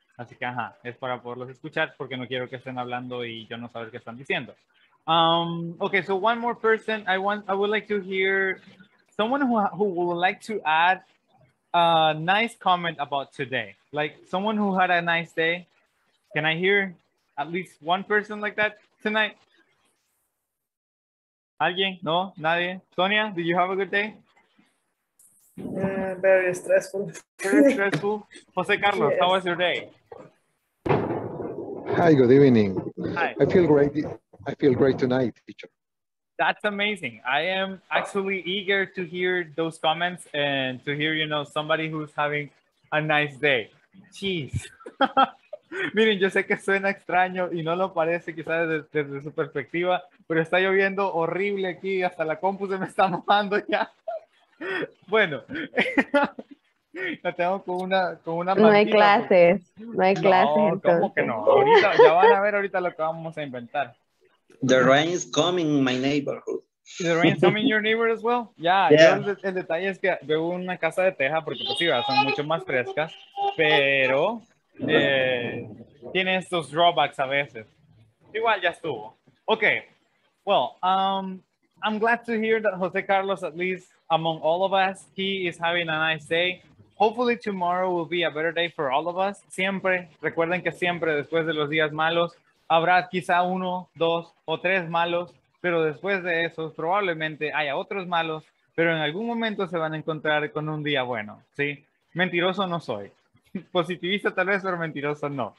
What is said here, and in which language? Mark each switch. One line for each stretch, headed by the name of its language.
Spanish: Así que, ajá, es para poderlos escuchar porque no quiero que estén hablando y yo no saber qué están diciendo.
English: Okay, so one more person. I would like to hear someone who would like to add a nice comment about today. Like someone who had a nice day. Can I hear at least one person like that tonight?
Spanish: ¿Alguien? ¿No? ¿Nadie?
English: Sonia, did you have a good day? Very stressful. Very stressful. José Carlos, yes. How was your day? Hi, good evening. Hi. I feel great. I feel great tonight, teacher. That's amazing. I am actually eager to hear those comments and to hear, you know, somebody who's having a nice day. Jeez.
Spanish: Miren, yo sé que suena extraño y no lo parece quizás desde su perspectiva, pero está lloviendo horrible aquí, hasta la compu se me está mojando ya. Bueno, La tengo con una No hay clases. No hay clases. No, ¿cómo que no? Ahorita ya van a ver ahorita lo que vamos a inventar.
English: The rain is coming in my neighborhood. The rain is coming in your neighborhood as well. Yeah.
Spanish: El detalle es que veo una casa de teja porque pues sí, son mucho más frescas, pero tiene estos drawbacks a veces. Igual ya estuvo. Okay.
English: Well, I'm glad to hear that Jose Carlos, at least among all of us, he is having a nice day. Hopefully tomorrow will be a better day for all of us.
Spanish: Siempre, recuerden que siempre después de los días malos, habrá quizá uno, dos o tres malos, pero después de esos probablemente haya otros malos, pero en algún momento se van a encontrar con un día bueno, ¿sí? Mentiroso no soy. Positivista tal vez, pero mentiroso no.